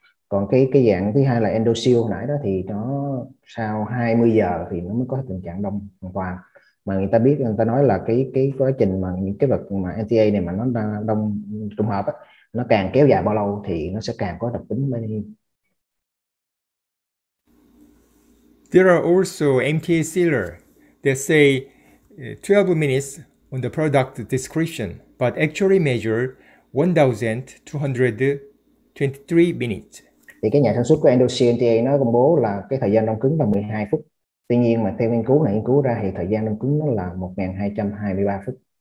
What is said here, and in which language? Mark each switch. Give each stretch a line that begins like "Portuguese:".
Vietnamese: Còn cái dạng thứ hai là endoseal nãy đó thì nó sau 20 giờ thì nó mới có tình trạng đông hoàn toàn. Mà người ta biết, người ta nói là cái quá trình mà những cái vật mà MTA này mà nó đông trùng hợp á, nó càng kéo dài bao lâu thì nó sẽ càng có đặc tính bao nhiêu.
English: There are also MTA sealer that say 12 minutes on the product description, but actually measure 1,223 minutes.
Vietnamese: Thì cái nhà sản xuất của Endosea MTA nó công bố là cái thời gian đông cứng là 12 phút. Tuy nhiên mà theo nghiên cứu này, nghiên cứu ra thì thời gian đông cứng nó là 1,223 phút.